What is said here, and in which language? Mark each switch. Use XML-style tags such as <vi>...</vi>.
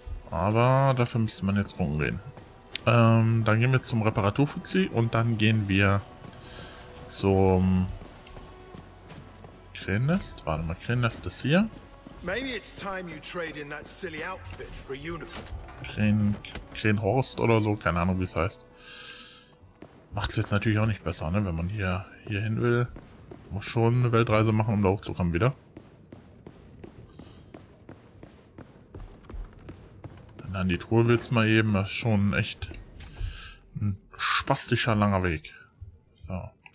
<de>Aber dafür müsste man jetzt unten gehen. Dann gehen wir zum Reparaturfuzzi und dann gehen wir zum Krennest. Warte mal, Krennest ist hier.</de> <en>Maybe it's time you trade in that silly outfit for a uniform.</en> <de>Krenhorst oder so, keine Ahnung, wie es heißt. Macht es jetzt natürlich auch nicht besser, ne? Wenn man hier hin will, muss schon eine Weltreise machen, um da hochzukommen wieder. Dann an die Truhe will es mal eben, das ist schon echt ein spastischer langer Weg. So.</de>